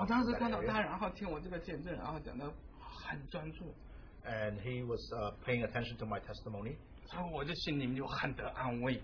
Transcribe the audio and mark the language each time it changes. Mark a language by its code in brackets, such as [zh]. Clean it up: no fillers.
[zh] 我当时看到他，然后听我这个见证，然后讲得很专注。 [en] And he was paying attention to my testimony. [zh] 所以我就心里面就很得安慰。